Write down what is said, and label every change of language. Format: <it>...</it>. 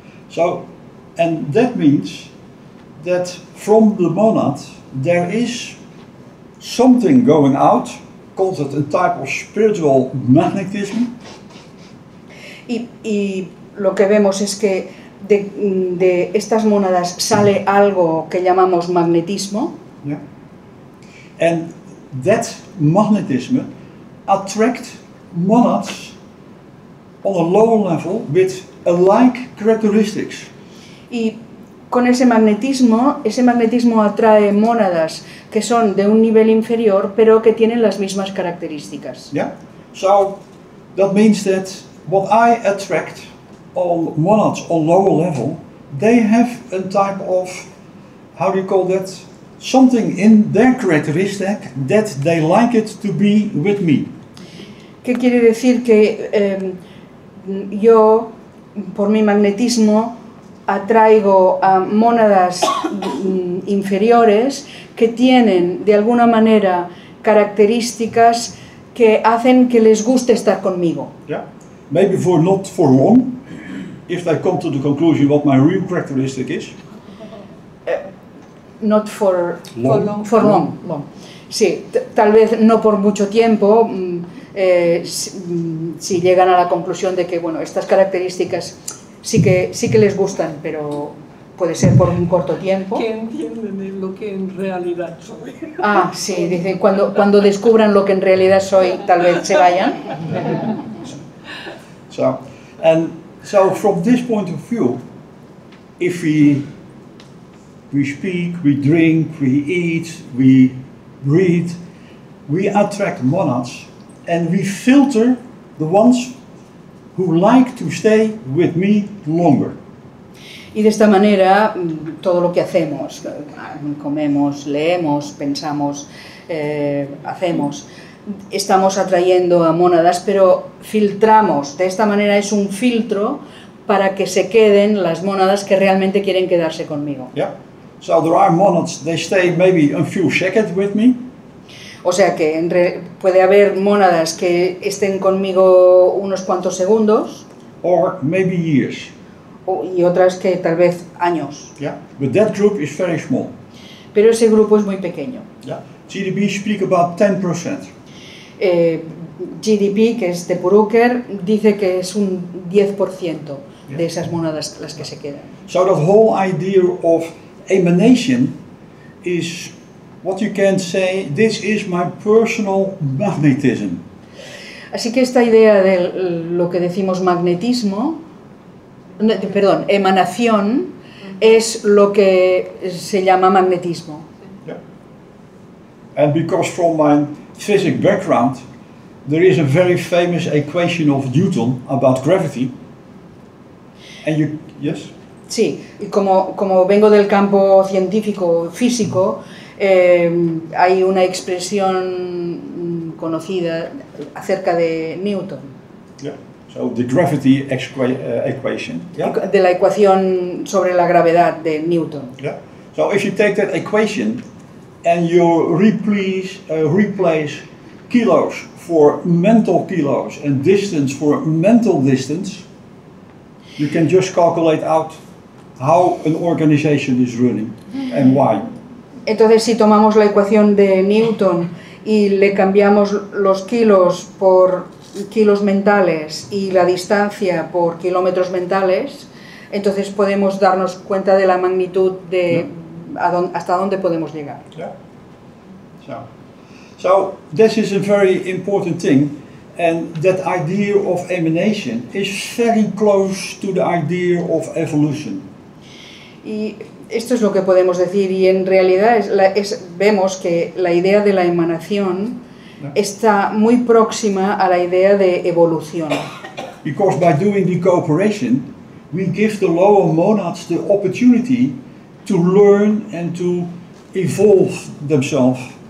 <en>So, and that means that from the monad there is something going out, called it a type of spiritual magnetism.</en> <es>Y lo que vemos es que de estas mónadas sale algo que llamamos magnetismo.</es> <en>Yeah. And that magnetism attracts monads on a lower level with a like characteristics.</en> <es>Y con ese magnetismo atrae mónadas que son de un nivel inferior pero que tienen las mismas características.</es> <en>Yeah. So that means that what I attract on monads on lower level, they have a type of, how do you call that, something in their characteristic that they like it to be with me.</en> <es>¿Qué quiere decir que yo, por mi magnetismo, atraigo a mónadas inferiores que tienen, de alguna manera, características que hacen que les guste estar conmigo?</es> <en>Yeah, maybe for not for long, if they come to the conclusion what my real characteristic is. Not for long. For long. Long.</en> <es>Sí, tal vez no por mucho tiempo, si llegan a la conclusión de que, bueno, estas características sí que les gustan, pero puede ser por un corto tiempo. Que entienden lo que en realidad soy. Ah, sí, dice, cuando descubran lo que en realidad soy, tal vez se vayan.</es> <en>So from this point of view, if we speak, we drink, we eat, we breathe, we attract monads and we filter the ones who like to stay with me longer.</en> <es>Y de esta manera, todo lo que hacemos, comemos, leemos, pensamos, hacemos, estamos atrayendo a mónadas, pero filtramos. De esta manera es un filtro para que se queden las mónadas que realmente quieren quedarse conmigo.</es> <en>Yeah. So there are monads, they stay maybe a few seconds with me.</en> <es>O sea que puede haber mónadas que estén conmigo unos cuantos segundos.</es> <en>Or maybe years.</en> <es>Y otras que tal vez años.</es> <en>Yeah. But that group is very small.</en> <es>Pero ese grupo es muy pequeño.</es> <en>Yeah. GDP speak about 10%.</en> <es>GDP, que es de Purucker, dice que es un 10% de esas mónadas las que se quedan.</es> <en>So the whole idea of emanation is what you can say, this is my personal magnetism.</en> <es>Así que esta idea de lo que decimos magnetismo, perdón, emanación, es lo que se llama magnetismo.</es> <en>Yeah. And because from my physics background, there is a very famous equation of Newton about gravity. And you, yes?</en> <es>Sí, y como vengo del campo científico, físico, hay una expresión conocida acerca de Newton.</es> <en>Yeah. So the gravity equation. Yeah?</en> <es>De la ecuación sobre la gravedad de Newton.</es> <en>Yeah. So if you take that equation and you replace kilos for mental kilos and distance for mental distance, you can just calculate out how an organization is running and why.</en> <es>Entonces, si tomamos la ecuación de Newton y le cambiamos los kilos por kilos mentales y la distancia por kilómetros mentales, entonces podemos darnos cuenta de la magnitud de hasta dónde podemos llegar.</es> <en>Yeah. So this is a very important thing, and that idea of emanation is very close to the idea of evolution.</en> <es>Y esto es lo que podemos decir, y en realidad vemos que la idea de la emanación está muy próxima a la idea de evolución.</es> <en>Because by doing the cooperation, we give the lower monads the opportunity to learn and to evolve themselves.</en>